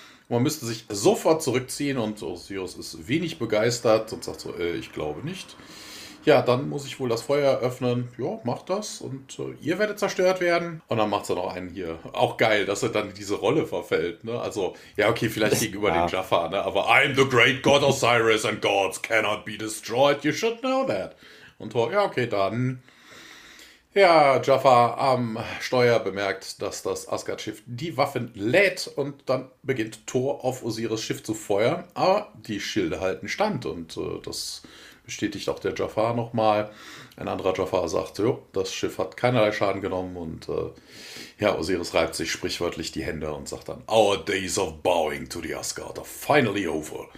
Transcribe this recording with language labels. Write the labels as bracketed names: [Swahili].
[German] Man müsste sich sofort zurückziehen, und Osiris ist wenig begeistert und sagt so, ich glaube nicht. Ja, dann muss ich wohl das Feuer eröffnen. Ja, mach das, und ihr werdet zerstört werden. Und dann macht er noch einen hier. Auch geil, dass er dann in diese Rolle verfällt. Ne? Also, ja, okay, vielleicht Das, gegenüber den ja. Jaffa, ne? [English] Aber I'm the great God Osiris and gods cannot be destroyed. You should know that. [German] Und Thor, ja, okay, dann. Ja, Jaffa am Steuer bemerkt, dass das Asgard-Schiff die Waffen lädt, und dann beginnt Thor auf Osiris Schiff zu feuern. Aber die Schilde halten stand, und das bestätigt auch der Jafar nochmal. Ein anderer Jafar sagt, jo, das Schiff hat keinerlei Schaden genommen, und ja, Osiris reibt sich sprichwörtlich die Hände und sagt dann, [English] Our days of bowing to the Asgard are finally over.